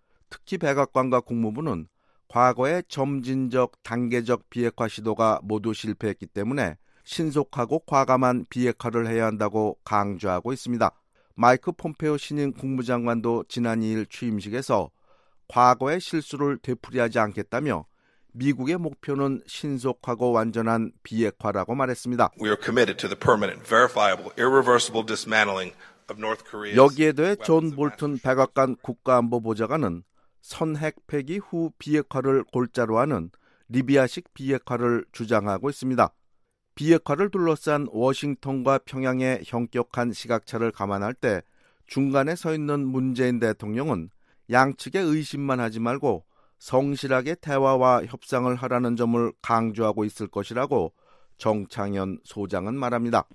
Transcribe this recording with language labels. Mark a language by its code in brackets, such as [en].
[ko] 특히 백악관과 국무부는 과거의 점진적 단계적 비핵화 시도가 모두 실패했기 때문에 신속하고 과감한 비핵화를 해야 한다고 강조하고 있습니다. 마이크 폼페오 신임 국무장관도 지난 2일 취임식에서 과거의 실수를 되풀이하지 않겠다며 미국의 목표는 신속하고 완전한 비핵화라고 말했습니다. [en] We are committed to the permanent, verifiable, irreversible dismantling of North Korea. [ko] 여기에 대해 존 볼튼 백악관 국가안보보좌관은 선핵 폐기 후 비핵화를 골자로 하는 리비아식 비핵화를 주장하고 있습니다. 비핵화를 둘러싼 워싱턴과 평양의 현격한 시각차를 감안할 때 중간에 서 있는 문재인 대통령은 양측의 의심만 하지 말고 성실하게 대화와 협상을 하라는 점을 강조하고 있을 것이라고 정창현 소장은 말합니다.